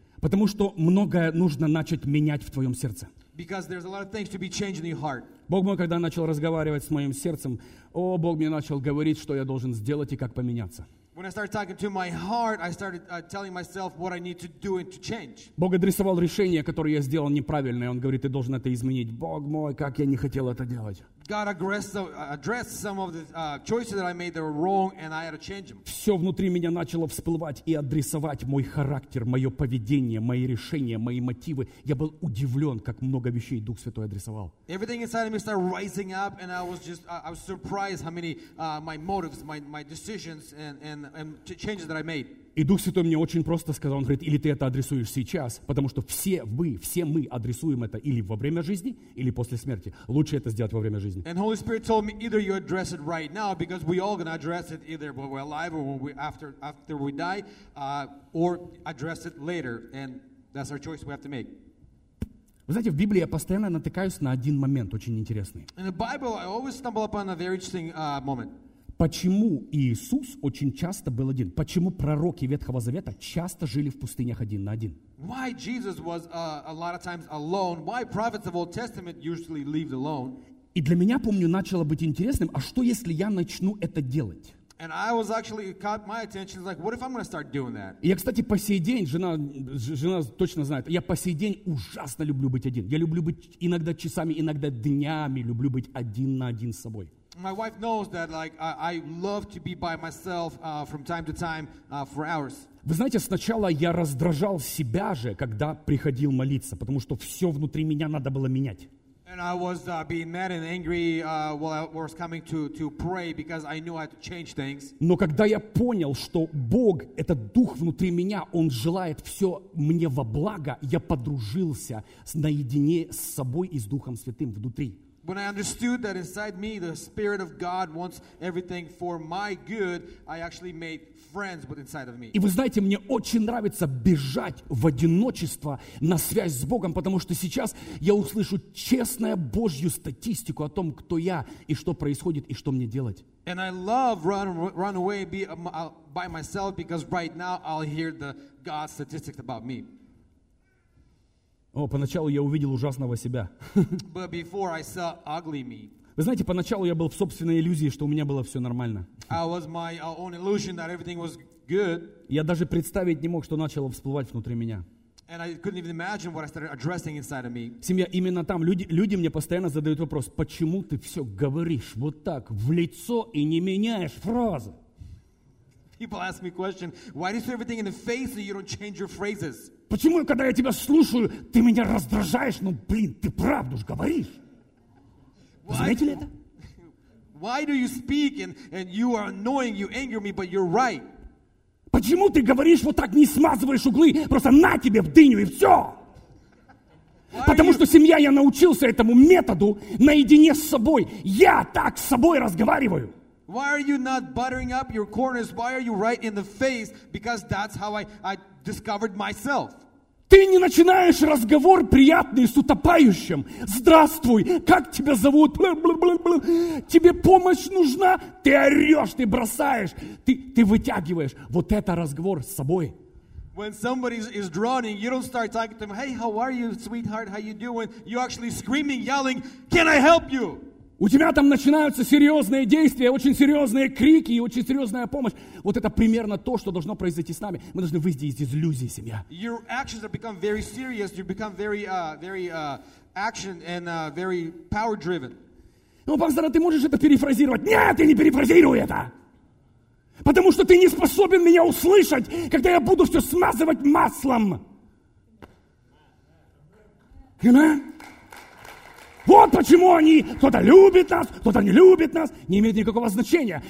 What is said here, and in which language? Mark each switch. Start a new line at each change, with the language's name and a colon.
Russian: Потому что многое нужно начать менять в твоем сердце.
English: Because there's a lot of things to be changing in your heart.
Russian: Бог мой, когда начал разговаривать с моим сердцем, о, Бог мне начал говорить, что я должен сделать и как поменяться.
English: When I started talking to my heart, I started telling myself what I need to do and to change.
Russian: Бог адресовал решение, которое я сделал неправильное. Он говорит, ты должен это изменить. Бог мой, как я не хотел это делать.
English: God addressed some of the choices that I made that were wrong, and I had to change them.
Russian: Все внутри меня начало всплывать и адресовать мой характер, мое поведение, мои решения, мои мотивы. Я был удивлен, как много вещей Дух Святой адресовал.
English: Everything inside of me started rising up, and I was surprised how many my motives, my decisions, and changes that I made.
Russian: И Дух Святой мне очень просто сказал, он говорит, или ты это адресуешь сейчас, потому что все мы адресуем это или во время жизни, или после смерти. Лучше это сделать во время жизни.
English: And Holy Spirit told me either you address it right now, because we all gonna address it either when we're alive or when we after we die, or address it later, and that's our choice we have to make.
Russian: Вы знаете, в Библии я постоянно натыкаюсь на один момент очень интересный.
English: In the Bible, I always stumble upon a very interesting moment.
Russian: Почему Иисус очень часто был один? Почему пророки Ветхого Завета часто жили в пустынях один на один?
English: Why Jesus was a lot of times alone? Why prophets of Old Testament usually lived alone?
Russian: И для меня, помню, начало быть интересным, а что если я начну это делать?
English: And I was actually caught my attention like, what if I'm going to start doing that?
Russian: Я, кстати, по сей день, жена точно знает, я по сей день ужасно люблю быть один. Я люблю быть иногда часами, иногда днями, люблю быть один на один с собой.
English: My wife knows that, like, I love to be by myself from time to time for hours.
Russian: Вы знаете, сначала я раздражал себя же, когда приходил молиться, потому что все внутри меня надо было менять.
English: And I was being mad and angry while I was coming to pray because I knew I had to change things.
Russian: Но когда я понял, что Бог, этот дух внутри меня, он желает все мне во благо, я подружился наедине с собой и с Духом Святым внутри.
English: When I understood that inside me the Spirit of God wants everything for my good, I actually made friends with inside of me.
Russian: И вы знаете, мне очень нравится бежать в одиночество на связь с Богом, потому что сейчас я услышу честную Божью статистику о том, кто я и что происходит и что мне делать.
English: And I love run away and be by myself because right now I'll hear the God statistics about me.
Russian: О, поначалу я увидел ужасного себя.
English: But before I saw ugly me.
Russian: Вы знаете, поначалу я был в собственной иллюзии, что у меня было все нормально.
English: I was my own illusion that everything was good.
Russian: Я даже представить не мог, что начало всплывать внутри меня.
English: And I couldn't even imagine what I started addressing inside of me.
Russian: Семья, именно там люди мне постоянно задают вопрос, почему ты все говоришь вот так в лицо и не меняешь фразы?
English: People ask me question, why do you say everything in the face and you don't change your phrases?
Russian: Почему, когда я тебя слушаю, ты меня раздражаешь? Ну, блин, ты правду ж говоришь. Вы заметили это?
English: Why do you speak and you are annoying, you anger me, but you're right?
Russian: Почему ты говоришь вот так, не смазываешь углы, просто на тебе в дыню и все? Потому что, семья, я научился этому методу наедине с собой. Я так с собой разговариваю.
English: Why are you not buttering up your corners? Why are you right in the face? Because that's how I discovered myself.
Russian: Ты не начинаешь разговор приятный с утопающим. Здравствуй, как тебя зовут? Тебе помощь нужна? Ты орешь, ты бросаешь, ты вытягиваешь. Вот это разговор с собой.
English: When somebody is drowning, you don't start talking to them, hey, how are you, sweetheart, how you doing? You're actually screaming, yelling, can I help you?
Russian: У тебя там начинаются серьезные действия, очень серьезные крики и очень серьезная помощь. Вот это примерно то, что должно произойти с нами. Мы должны выйти из иллюзии, семья.
English: Your actions have become very serious, you become very action and very power driven.
Russian: Ну, пастор, а ты можешь это перефразировать? Нет, я не перефразирую это! Потому что ты не способен меня услышать, когда я буду все смазывать маслом.
English: Amen.
Russian: Вот почему они, кто-то любит нас, кто-то не любит нас, не имеет никакого значения.